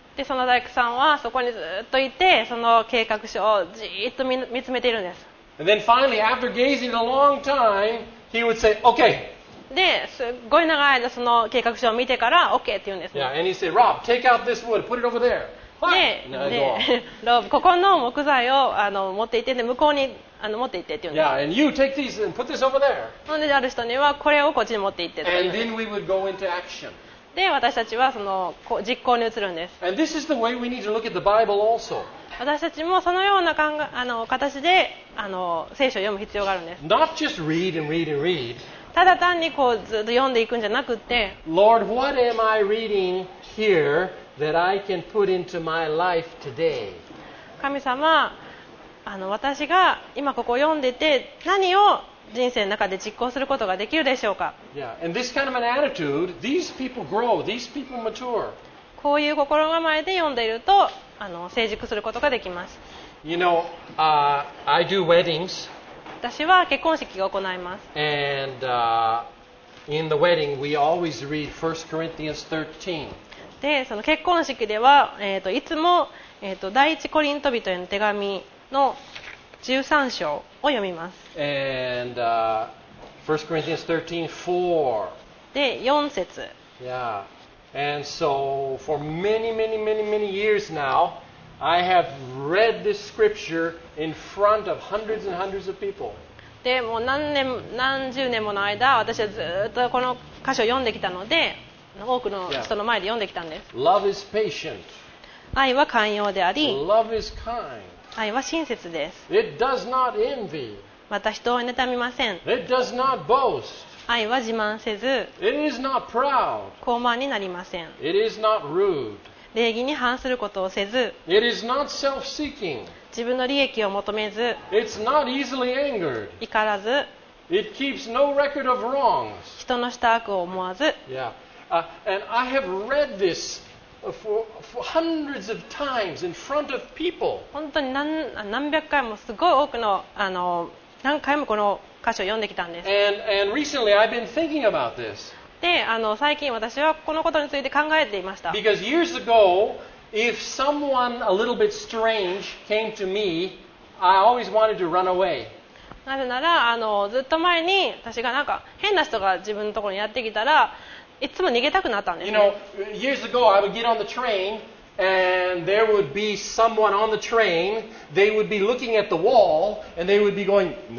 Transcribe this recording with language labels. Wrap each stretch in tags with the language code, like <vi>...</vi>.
<ja>でその大工さんはそこにずっといて、その計画書をじーっと 見つめているんです。</ja> <en>And then finally, after gazing a long time, he would say, okay.</en> <ja>で、すごい長い間その計画書を見てから OK って言うんです、</ja> <en>ね、Yeah, and he said, Rob, take out this wood, put it over there.</en> <ja>で、ロブ、ここの木材を持って行って、で向こうに持って行ってって言うんです。</ja> <en>Yeah, and you take these and put this over there.</en> <ja>なんである人にはこれをこっちに持って行ってって言うんです。</ja> <en>And then we would go into action.</en> <ja>で私たちはその実行に移るんです。</ja> <en>And this is the way we need to look at the Bible also.</en> <ja>私たちもそのような形で聖書を読む必要があるんです。</ja> <en>Not just read and read and read.</en> <ja>ただ単にこうずっと読んでいくんじゃなくて、</ja> <en>Lord, what am I reading here that I can put into my life today?</en> <ja>神様、私が今ここを読んでて何を人生の中で実行することができるでしょうか。</ja> <en>Yeah, and this kind of an attitude, these people grow, these people mature.</en> <ja>ここういう心構えで読んでいると成熟することができます。</ja> <en>You know, I do weddings.</en> <ja>私は結婚式を行います。</ja> <en>And, in the wedding, we always read 1 Corinthians 13.</en> <ja>で、その結婚式では、いつも、第一コリント人への手紙の13章を読みます。</ja> <en>And, 1 Corinthians 13:4.</en> <ja>で、4節。</ja> <en>Yeah. And so, for many, many, many, many years now, I have read this scripture in front of hundreds and hundreds of people.</en> <ja>で、もう何十年もの間、私はずっとこの箇所を読んできたので、多くの人の前で読んできたんです。</ja> <en>Yeah. Love is patient.</en> <ja>愛は寛容であり。</ja> <en>Love is kind.</en> <ja>愛は親切です。</ja> <en>It does not envy.</en> <ja>また人を妬みません。</ja> <en>It does not boast.</en> <ja>愛は自慢せず。</ja> <en>It is not proud.</en> <ja>高慢になりません。</ja> <en>It is not rude.</en> <ja>礼儀に反することをせず。</ja> <en>It is not self-seeking.</en> <ja>自分の利益を求めず。</ja> <en>It's not easily angered.</en> <ja>怒らず。</ja> <en>It keeps no record of wrongs.</en> <ja>人のした悪を思わず。</ja> <en>Yeah. And I have read this. For hundreds of times in front of people.</en> <ja>本当に 何百回もすごい多くの何回もこの箇所を読んできたんです。</ja> <en>And recently I've been thinking about this.</en> <ja>で、最近私はこのことについて考えていました。</ja> <en>Because years ago, if someone a little bit strange came to me, I always wanted to run away.</en> <ja>なぜならずっと前に私がなんか変な人が自分のところにやってきたら。いつも逃げたくなったんですね。</ja> <en>You know, years ago I would get on the train and there would be someone on the train. They would be looking at the wall and they would be going.</en>